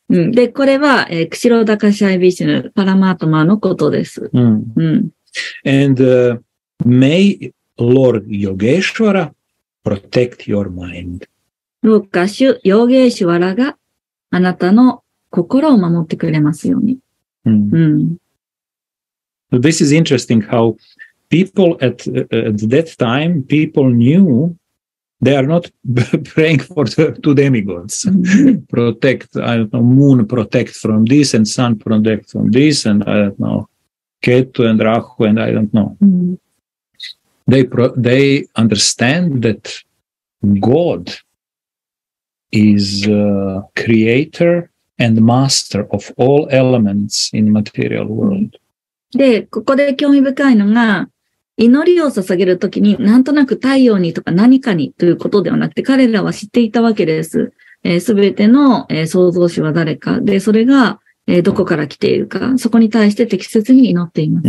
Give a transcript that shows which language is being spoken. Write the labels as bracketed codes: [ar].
[ja] で、これは、クシロダカシャイビシュヌ、パラマートマのことです。 [en] And, may Lord Yogeshwara protect your mind. [ja] ロッカシュ、ヨゲシュワラがあなたの心を守ってくれますように。 [en] This is interesting how people at that time, people knew they are not praying for to demigods. Protect, I don't know, moon protect from this and sun protect from this and I don't know, Ketu and Rahu and I don't know. Mm-hmm. They understand that God is creator and master of all elements in the material world. [ja] で、ここで興味深いのが、祈りを捧げるときに、なんとなく太陽にとか何かにということではなくて、彼らは知っていたわけです。すべての、創造主は誰か。で、それが、どこから来ているか。そこに対して適切に祈っています。